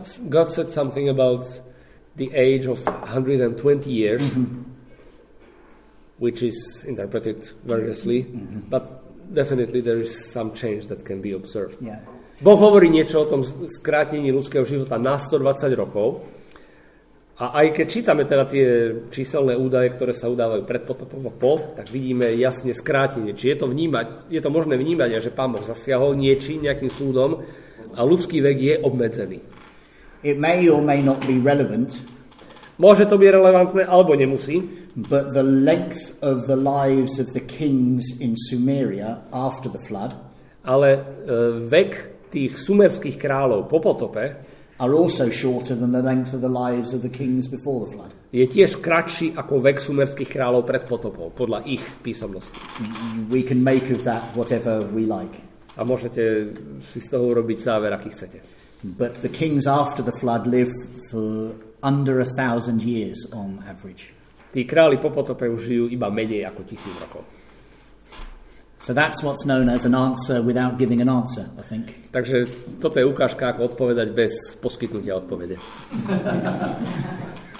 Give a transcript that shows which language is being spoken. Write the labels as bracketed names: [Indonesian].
[English] God said something about the age of 120 years, which is interpreted variously, but definitely there is some change that can be observed. Yeah. [Slovak] Boh hovorí niečo o tom skrátení ľudského života na 120 rokov. A aj keď čítame teda tie číselné údaje, ktoré sa udávajú pred potopom a po, tak vidíme jasne skrátenie. Či je to vnímať, je to možné vnímať, že Pán Boh zasiahol niečím, nejakým súdom a ľudský vek je obmedzený. [English] It may or may not be relevant. [Slovak] Môže to byť relevantné, alebo nemusí. [English] But the length of the lives of the kings in Sumeria after the flood. [Slovak] Ale vek tých sumerských kráľov po potope [English] are also shorter than the length of the lives of the kings before the flood. [Slovak] Je tiež kratší ako vek sumerských kráľov pred potopom, podľa ich písomnosti. [English] We can make of that whatever we like. [Slovak] A môžete si z toho urobiť záver, aký chcete. [English] But the kings after the flood live for under 1,000 years on average. [Slovak] Tí králi po potope už žijú iba menej ako 1,000 rokov. [English] So that's what's known as an answer without giving an answer, I think. [Slovak] Takže toto je ukážka, ako odpovedať bez poskytnutia odpovede.